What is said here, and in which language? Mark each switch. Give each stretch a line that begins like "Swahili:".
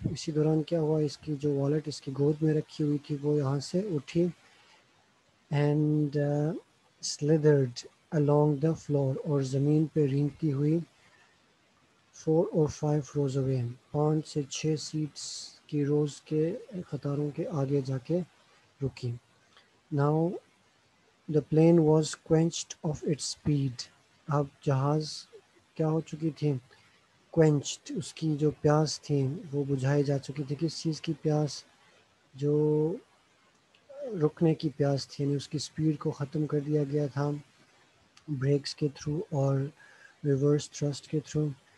Hindi: इसी दौरान क्या हुआ, इसकी जो wallet इसकी गोद में रखी हुई थी वो यहाँ से उठी
English: and slithered along the floor,
Hindi: और ज़मीन पर रिंगती हुई
English: 4 or 5 rows away,
Hindi: 5 से 6 seats की रोज के कतारों के आगे जाके रुकी।
English: Now the plane was quenched of its speed.
Hindi: अब जहाज़ क्या हो चुकी थी, क्वेंच्ड, उसकी जो प्यास थी वो बुझाई जा चुकी थी। किस चीज़ की प्यास, जो रुकने की प्यास थी, यानी उसकी स्पीड को ख़त्म कर दिया गया था ब्रेक्स के थ्रू और रिवर्स थ्रस्ट के थ्रू।